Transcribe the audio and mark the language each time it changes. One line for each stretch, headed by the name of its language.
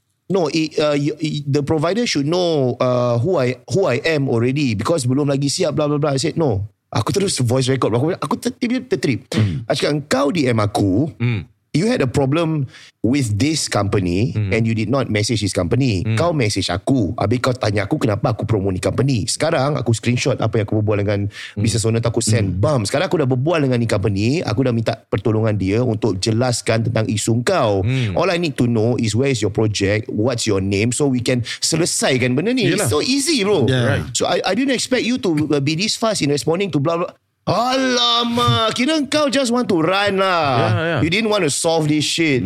English: The provider should know who I am already because
Malay: belum lagi siap,
English: blah, blah, blah. I said, no.
Malay: Aku terus voice record. Aku tertrip. I cakap, kau DM aku.
English: You had a problem with this company and you did not message this company.
Malay: Kau message aku. Habis kau tanya aku kenapa aku promo ni company. Sekarang aku screenshot apa yang aku berbual dengan business owner, aku send. Bam. Sekarang aku dah berbual dengan ni company. Aku dah minta pertolongan dia untuk jelaskan tentang isu kau.
English: All I need to know is where is your project, what's your name, so we can
Malay: selesaikan benda ni.
English: Yalah. It's so easy, bro. Yeah. Right. So I didn't expect you to be this fast in responding to blah blah.
Malay: Alamak, kira kau
English: just want to run
Malay: lah.
English: Yeah. You didn't want to solve this shit.